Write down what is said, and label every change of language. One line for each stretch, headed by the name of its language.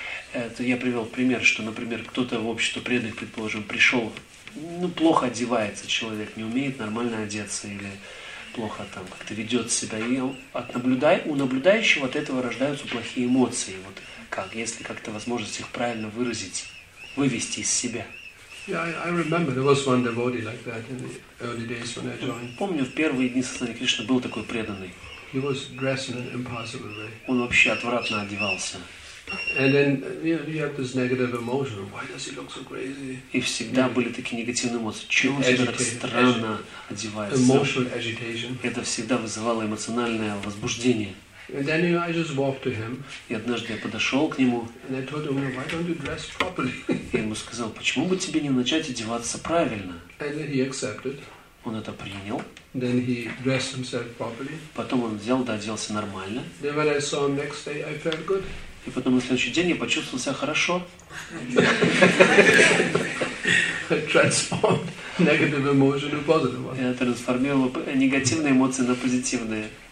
Russian: Это я привел пример, что, например, кто-то в общество преданных, предположим, пришел, ну, плохо одевается человек, не умеет нормально одеться или плохо там как-то ведет себя. И у наблюдающего от этого рождаются плохие эмоции. Вот как, если как-то возможность их правильно выразить, вывести из себя.
English: Yeah, I remember there was one devotee like that in the early days when I joined.
Russian: Помню, в первые дни сознания Кришны был такой преданный.
English: He was dressed in an impossible way.
Russian: Он вообще отвратно одевался.
English: And then you have this negative emotion. Why does he look so crazy?
Russian: И всегда были такие негативные эмоции. Чего он так странно одевается?
English: Emotional agitation.
Russian: Это всегда вызывало эмоциональное возбуждение.
English: And then I just walked to him.
Russian: И однажды я подошел к нему.
English: And I told him, well, why don't you dress properly?
Russian: Я ему сказал, почему бы тебе не начать одеваться правильно?
English: And then he accepted.
Russian: Он это принял.
English: Then he dressed himself properly.
Russian: Потом он взял, да, оделся нормально.
English: Then when I saw him next day, I felt good.
Russian: И потом на следующий день я почувствовал себя хорошо.
English: Transformed negative emotion into positive one.
Russian: Я трансформировал негативные эмоции на позитивные.